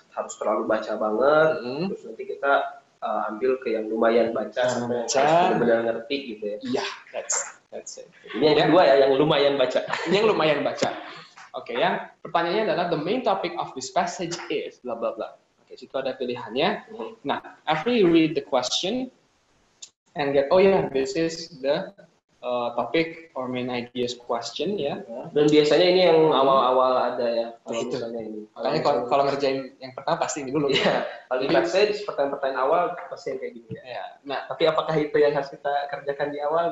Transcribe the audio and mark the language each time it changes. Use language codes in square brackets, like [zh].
[id] harus terlalu baca banget. Mm-hmm. Terus nanti kita ambil ke yang lumayan baca, sampai benar-benar ngerti gitu ya. [en] Iya, that's it. [id] Ini yang kedua ya, yang lumayan baca. Ini yang lumayan baca. Oke, yang pertanyaannya adalah [en] the main topic of this passage is blah blah blah. [id] Oke, situ ada pilihannya. Mm-hmm. [en] Nah, after you read the question and get, oh yeah, this is the topic or main ideas question ya. Yeah. [id] Dan biasanya ini yang awal-awal ada ya. Itu. Makanya kalau ngerjain yang pertama pasti ini dulu. Yeah. Kalau di passage, pertanyaan-pertanyaan awal pasti yang kayak gini. Gitu, ya. Yeah. Nah, tapi apakah itu yang harus kita kerjakan di awal?